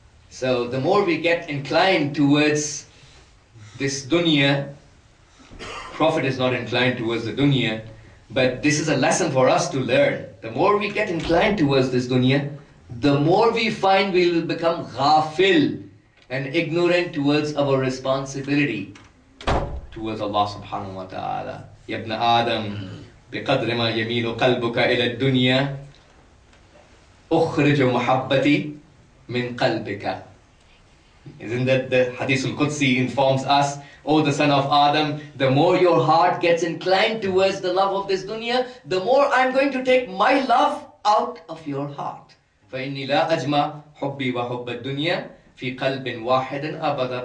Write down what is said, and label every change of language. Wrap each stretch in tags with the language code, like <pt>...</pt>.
<en>So the more we get inclined towards this dunya, Prophet is not inclined towards the dunya, but this is a lesson for us to learn. The more we get inclined towards this dunya, the more we find we will become ghafil and ignorant towards our responsibility towards Allah subhanahu wa ta'ala.</en> <ar>Ya ibn Adam, بقدر ما يميل قلبك إلى الدنيا أخرج محبتي من قلبك.</ar> <en>Isn't that the Hadith al-Qudsi informs us, "Oh, the son of Adam, the more your heart gets inclined towards the love of this dunya, the more I'm going to take my love out of your heart."</en> <ar>فَإِنِّي لَا أَجْمَى حُبِّي وَحُبَّ الدُّنْيَا فِي قَلْبٍ وَاحِدٍ أَبَدًا.</ar>